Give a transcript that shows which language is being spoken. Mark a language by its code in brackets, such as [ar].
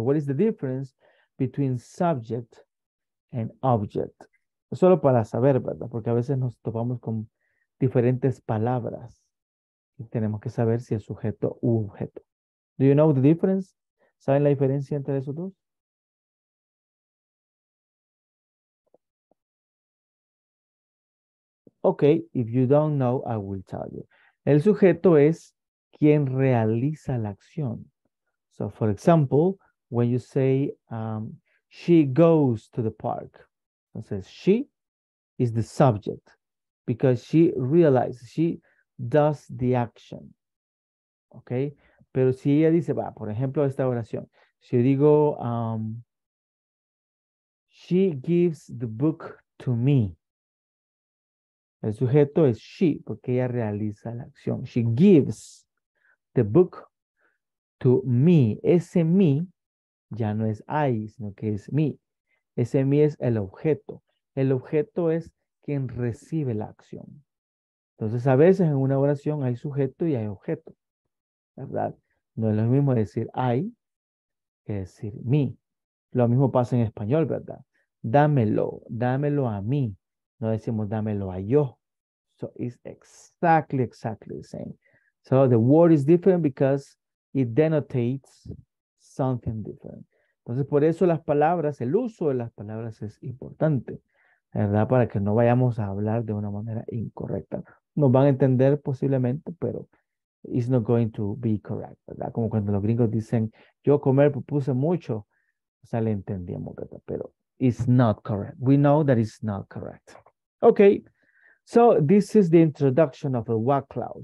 [en] What is the difference between subject and object? [es] Solo para saber, ¿verdad? Porque a veces nos topamos con diferentes palabras Tenemos que saber si es sujeto u objeto. [en] Do you know the difference? [es] ¿Saben la diferencia entre esos dos? [en] Okay, if you don't know, I will tell you. [es] El sujeto es quien realiza la acción. [en] So, for example, when you say, she goes to the park. Entonces, she is the subject because she realizes, she does the action. Okay? [es] Pero si ella dice, va, por ejemplo, esta oración. Si yo digo, [en] she gives the book to me. [es] El sujeto es she, porque ella realiza la acción. [en] She gives the book to me. [es] Ese me ya no es I, sino que es me. Ese me es el objeto. El objeto es quien recibe la acción. Entonces, a veces en una oración hay sujeto y hay objeto, ¿verdad? No es lo mismo decir I que decir me. Lo mismo pasa en español, ¿verdad? Dámelo, dámelo a mí. No decimos dámelo a yo. [en] So it's exactly the same. So the word is different because it denotes something different. [es] Entonces, por eso las palabras, el uso de las palabras es importante, ¿verdad? Para que no vayamos a hablar de una manera incorrecta. Nos van a entender posiblemente, pero [en] it's not going to be correct, [es] ¿verdad? Como cuando los gringos dicen, yo comer puse mucho. O sea, le entendíamos, ¿verdad? Pero [en] it's not correct. We know that it's not correct. Okay, so this is the introduction of a what clause.